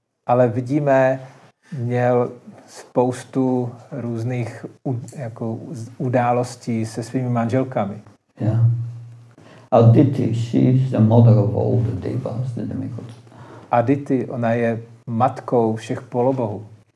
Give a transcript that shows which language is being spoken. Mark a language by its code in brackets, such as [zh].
[cs] Ale vidíme, měl spoustu různých jako událostí se svými manželkami. [en] Yeah. Aditi, she is the mother of all the devas, the demigods. [cs] Aditi, ona je matkou všech polobohů.